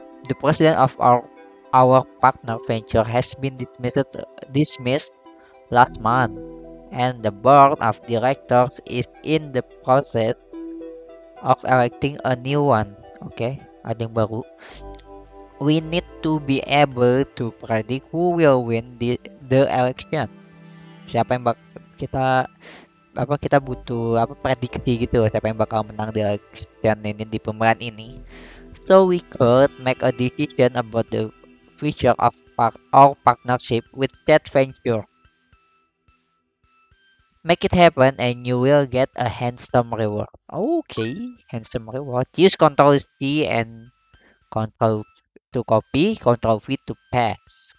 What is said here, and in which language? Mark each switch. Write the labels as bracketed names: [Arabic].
[English] The president of our partner venture has been dismissed last month. And the board of directors is in the process of electing a new one. Okay, [Indonesian] ada yang baru. [English] We need to be able to predict who will win the election. [Indonesian] Siapa yang kita butuh apa prediksi gitu loh, siapa yang bakal menang di election ini, di pemilihan ini. [English] So we could make a decision about the future of our partnership with that venture. Make it happen and you will get a handsome reward. Okay, handsome reward. Use Ctrl C and Ctrl to copy, Ctrl V to paste.